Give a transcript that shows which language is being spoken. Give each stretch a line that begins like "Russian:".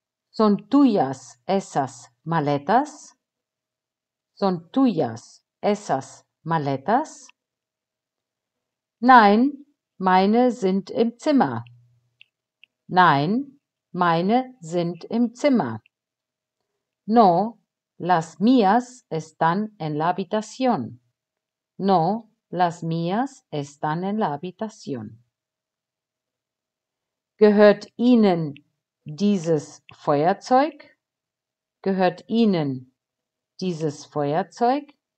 Spanish: Son tuyas esas maletas? Son tuyas esas maletas?
German: Nein, meine sind im Zimmer. Nein, meine sind im Zimmer.
Spanish: No, las mías están en la habitación. No, las mías están en la habitación.
German: Gehört Ihnen dieses Feuerzeug? Gehört Ihnen dieses Feuerzeug?